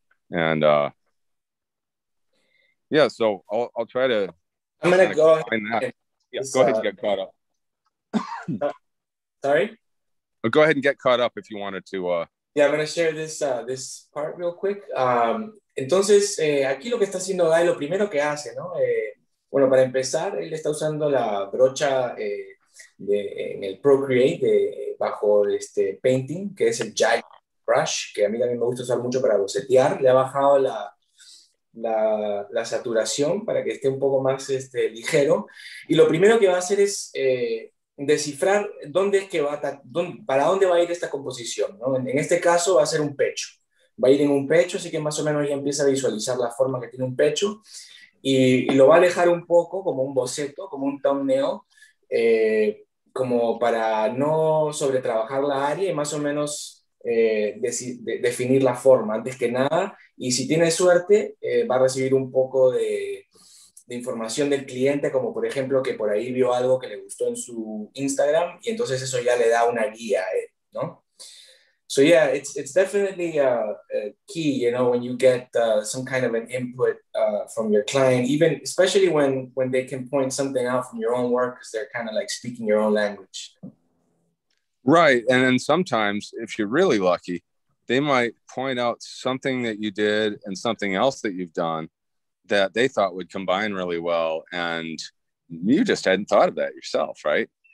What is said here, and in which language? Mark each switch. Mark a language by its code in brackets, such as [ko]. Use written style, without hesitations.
[en] And yeah, so I'll try to. I'm gonna go ahead. Yeah, go ahead and get caught up. Sorry. But go ahead and get caught up if you wanted to. Yeah, I'm gonna share this this part real quick. [es] Entonces, aquí lo que está haciendo Guy, lo primero que hace, ¿no? Bueno, para empezar, él está usando la brocha en el Procreate bajo este painting, que es el Jagged Brush, que a mí también me gusta usar mucho para bocetear. Le ha bajado la saturación para que esté un poco más este, ligero. Y lo primero que va a hacer es descifrar dónde es que va para dónde va a ir esta composición, ¿no? En este caso va a ser un pecho. Va a ir en un pecho, así que más o menos ya empieza a visualizar la forma que tiene un pecho. Y lo va a alejar un poco como un boceto, como un thumbnail, como para no sobretrabajar la área y más o menos definir la forma antes que nada. Y si tiene suerte, va a recibir un poco de información del cliente, como por ejemplo que por ahí vio algo que le gustó en su Instagram, y entonces eso ya le da una guía a él, ¿no? [en] So yeah, it's definitely a key, you know, when you get some kind of an input from your client, even especially when they can point something out from your own work, because they're kind of like speaking your own language. Right, and then sometimes, if you're really lucky, they might point out something that you did and something else that you've done that they thought would combine really well, and you just hadn't thought of that yourself, right?